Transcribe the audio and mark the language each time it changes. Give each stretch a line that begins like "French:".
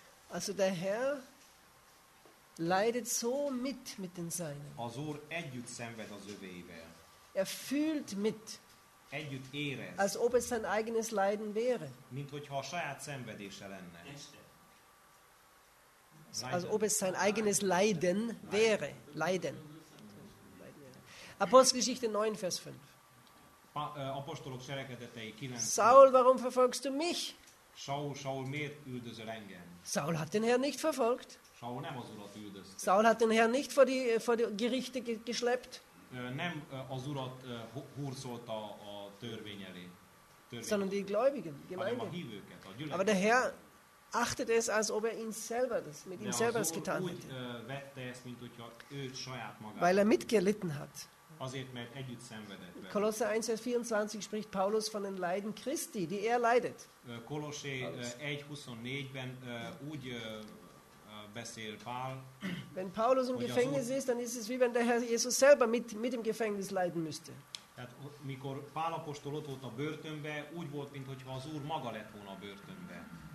German: Also der Herr leidet so mit den Seinen.
Hungarian: Az Úr együtt szenved az övéivel.
German: Er fühlt mit.
Hungarian: Együtt érez.
German: Als ob es sein eigenes Leiden wäre.
Hungarian: Mint hogyha a saját szenvedése lenne.
German: Als ob es sein eigenes Leiden wäre. Leiden. Apostelgeschichte 9, Vers 5.
Hungarian: Apostolok cselekedetei 9.
German: Saul, warum verfolgst du mich?
Hungarian: Saul, miért üldözöl engem?
German: Saul hat den Herrn nicht verfolgt.
Hungarian: Saul nem az urat üldözte.
German: Saul hat den Herrn nicht vor die Gerichte geschleppt.
Hungarian: Nem az urat hurcolta a törvény elé.
German: Sondern die Gläubigen, die Gemeinde.
Hungarian: A hívőket, a gyülekezet.
German: Aber der Herr achtet es, als ob er ihn selber das, mit ihm selber es getan hätte.
Hungarian: Vette ezt, mint hogyha ő saját magát.
German: Weil er mitgelitten hat.
Hungarian: Azért, mert együtt szenvedett vele.
German: Kolosser 1, Vers 24 spricht Paulus von den Leiden Christi, die er leidet.
Hungarian: Kolossé 1:24-ben úgy beszél Pál.
German: Wenn Paulus im Gefängnis ist, dann ist es wie wenn der Herr Jesus selber mit im Gefängnis leiden müsste.
Hungarian: Tehát mikor Pál apostol ott volt a börtönbe, úgy volt, mint hogyha az Úr maga lett volna a börtönbe.